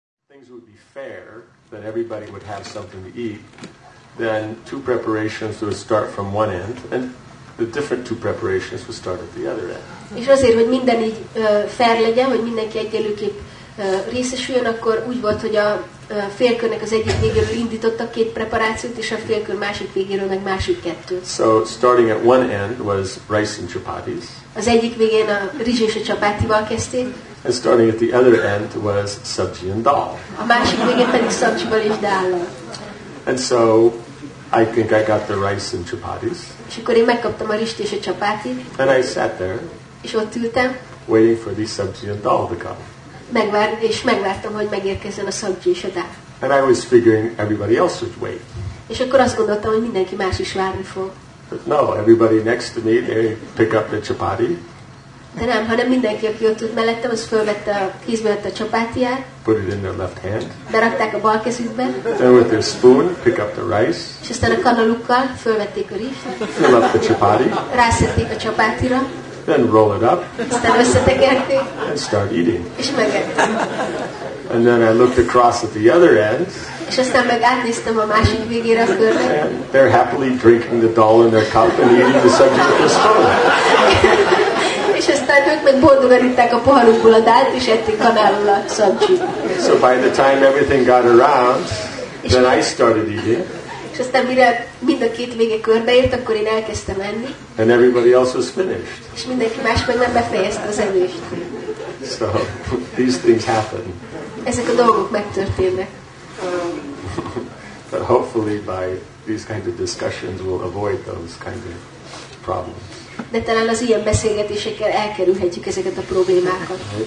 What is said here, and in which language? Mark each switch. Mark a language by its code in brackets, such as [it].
[en] things would be fair, that everybody would have something to eat, then two preparations would start from one end, and the different two preparations would start at the other end. [hu] És azért, hogy minden így fair legyen, hogy mindenki egyenlőképp részesüljön, akkor úgy volt, hogy a félkörnek az egyik végéről indítottak két preparációt, és a félkör másik végéről meg másik kettőt. [en] So starting at one end was rice and chapatis. [hu] Az egyik végén a rizs és a csapátival kezdték. [en] And starting at the other end was sabji and dal. [hu] A másik végén pedig sabjival és dallal. [en] And so I think I got the rice and chapatis. [hu] És akkor én megkaptam a rizst és a csapátit. [en] And I sat there. [hu] És ott ültem. [en] Waiting for the sabji and dal to come. [hu] Megvártam, hogy megérkezzen a szabjú és a dál. [en] And I was figuring everybody else would wait. [hu] És akkor azt gondoltam, hogy mindenki más is várni fog. [en] But no, everybody next to me, they pick up the chapati. [hu] De nem, hanem mindenki, aki ott ült mellettem, az fölvette a kézbe a csapátiát. [en] Put it in their left hand. [hu] Berakták a bal kezükbe. [en] Then with their spoon, pick up the rice. [hu] És aztán a kanalukkal fölvették a rizst. [en] Fill up the chapati. [hu] Rászették a csapátira. [en] Then roll it up. [hu] Aztán összetekerték. [en] And start eating. [hu] És megettem. [en] And then I looked across at the other end. [hu] És aztán meg átnéztem a másik végére a körbe. [en] And they're happily drinking the dal in their cup and eating the subject of the spoon. [hu] És aztán ők meg boldogan itták a poharukból a dalt, és ették kanállal a szabcsit. [en] So by the time everything got around, then I started eating. [hu] És aztán mire mind a két vége körbeért, akkor én elkezdtem enni. [en] And everybody else was finished. [hu] És mindenki más meg nem befejezte az evést. [en] So, these things happen. [hu] Ezek a dolgok megtörténnek. [en] But hopefully by these kind of discussions we'll avoid those kind of problems. [hu] De talán az ilyen beszélgetésekkel elkerülhetjük ezeket a problémákat.